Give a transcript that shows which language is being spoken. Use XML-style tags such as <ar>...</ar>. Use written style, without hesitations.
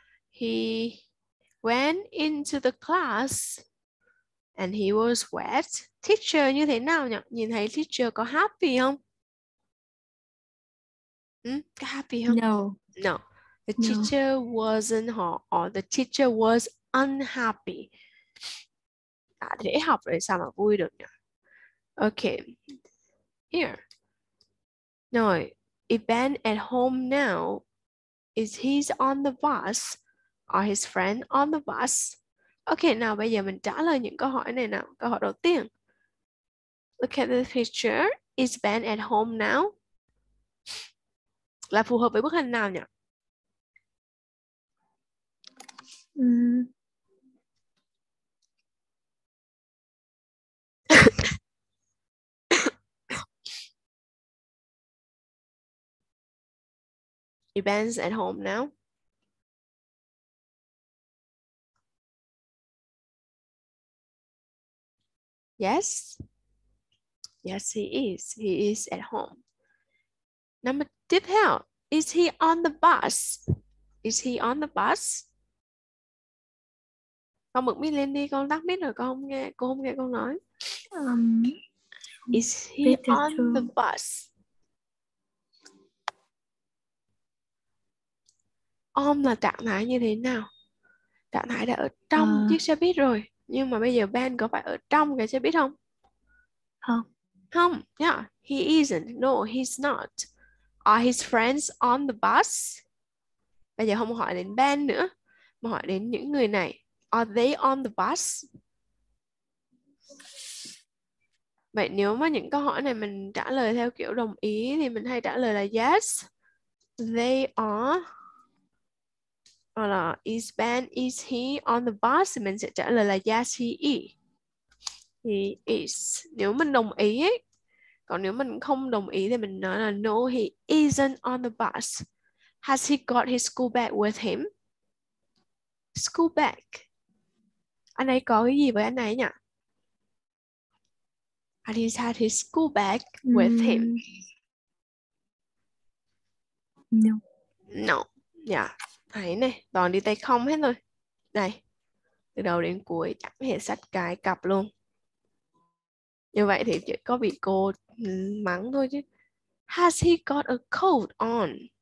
<en>He went into the class and he was wet.</en> <vi>Teacher như thế nào nhỉ? Nhìn thấy teacher có happy không? Có happy không?</vi> <en>No. The teacher wasn't hot or the teacher was unhappy.</en> <vi>Đã để học rồi sao mà vui được nhỉ?</vi> <en>Okay. Here.</en> <vi>Rồi.</vi> <en>Is Ben at home now? Is he on the bus? Are his friend on the bus?</en> <vi>Okay, nào bây giờ mình trả lời những câu hỏi này nào. Câu hỏi đầu tiên.</vi> <en>Look at the picture. Is Ben at home now?</en> <vi>Là phù hợp với bức hình nào nhỉ?</vi> <en>Ben's at home now. Yes. Yes, he is. He is at home. Number</en> <vi>tiếp theo.</vi> <en>Is he on the bus? Is he on the bus?</en> <vi>Con bật mic lên đi, con tắt mic rồi, con không nghe, cô không nghe con nói.</vi> <en>Is he on the bus?</en> <vi>On là trạng thái như thế nào? Trạng thái đã ở trong chiếc xe buýt rồi, nhưng mà bây giờ Ben có phải ở trong cái xe buýt không? Không. Không.</vi> <en>Yeah, he isn't. No, he's not. Are his friends on the bus?</en> <vi>Bây giờ không hỏi đến Ben nữa, mà hỏi đến những người này.</vi> <en>Are they on the bus?</en> <vi>Vậy nếu mà những câu hỏi này mình trả lời theo kiểu đồng ý thì mình hay trả lời là</vi> <en>yes, they are.</en> <vi>Hoặc là</vi> <en>is Ben, is he on the bus?</en> <vi>Thì mình sẽ trả lời là</vi> <en>yes, he is. He is.</en> <vi>Nếu mình đồng ý ấy. Còn nếu mình không đồng ý thì mình nói là</vi> <en>no, he isn't on the bus. Has he got his school bag with him? School bag.</en> <vi>Anh ấy có cái gì với anh ấy nhỉ?</vi> <en>And he's had his school bag with him. No. No. Yeah.</en> <vi>Thấy này, toàn đi tay không hết rồi. Này, từ đầu đến cuối chẳng hề xách cái cặp luôn. Như vậy thì chỉ có bị cô mắng thôi chứ.</vi> <en>Has he got a coat on?</en>